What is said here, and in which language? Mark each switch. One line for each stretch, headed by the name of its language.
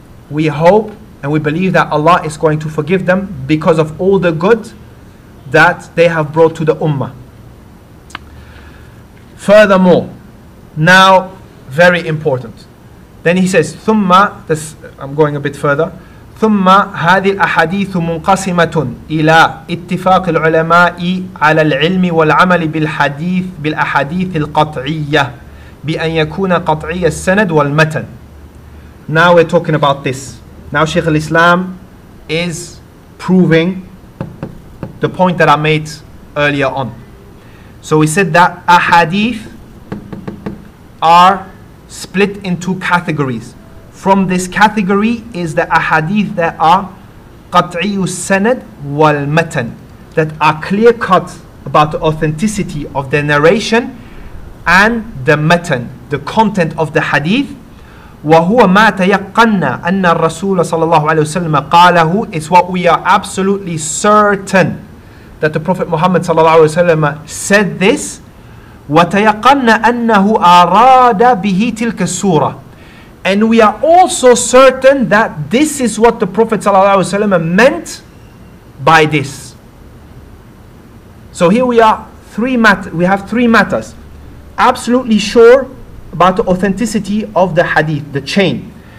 English: We hope and we believe that Allah is going to forgive them because of all the good that they have brought to the ummah. Furthermore, now, very important. Then he says, I'm going a bit further.
Arabic: ثم هذه الأحاديث منقسمة إلى اتفاق العلماء على العلم والعمل بالحديث بالأحاديث القطعية بأن يكون قطعي السند والمتن.
English: Now we're talking about this. Now Shaykh al-Islam is proving the point that I made earlier on. So we said that ahadith are split in two categories. From this category is the ahadith that are
Arabic: قَطْعِيُ السَّنَدْ وَالْمَتَنْ,
English: that are clear cut about the authenticity of the narration and the matan, the content of the hadith.
Arabic: وَهُوَ مَا تَيَقَّنَّا أَنَّ الرَّسُولَ صَلَى اللَّهُ عَلَيْهُ وَسَلَّمَ قَالَهُ,
English: is what we are absolutely certain that the Prophet Muhammad صلى الله عليه وسلم said this.
Arabic: وَتَيَقَّنَّا أَنَّهُ أَرَادَ بِهِ تِلْكَ السُّورَةِ,
English: and we are also certain that this is what the Prophet ﷺ meant by this. So here we are, we have three matters. Absolutely sure about the authenticity of the hadith, the chain.